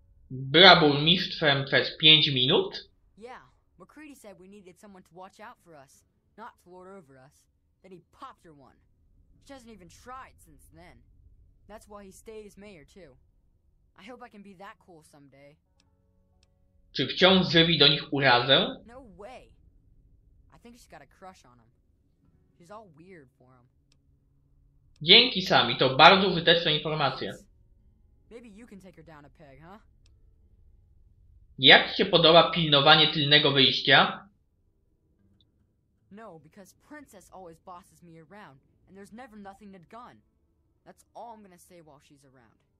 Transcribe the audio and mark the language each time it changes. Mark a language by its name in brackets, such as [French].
[Polish] Była burmistrzem przez 5 minut? [English] Yeah, McCready said we needed someone to watch out for us, not to lord over us. Then he popped her one. She hasn't even tried since then. That's why he stays mayor too. I hope I can be that cool someday. [Polish] Czy wciąż żywi do nich urazę? [English] No way. I think she's got a crush on him. She's all weird for him. [Polish] Dzięki Sami, to bardzo wyteczna informacja. [English] Maybe you can take her down a peg, huh? [Polish] Jak ci się podoba pilnowanie tylnego wyjścia? [English] No, because princess always bosses me around. And there's never nothing to gun. That's all I'm gonna say while she's around.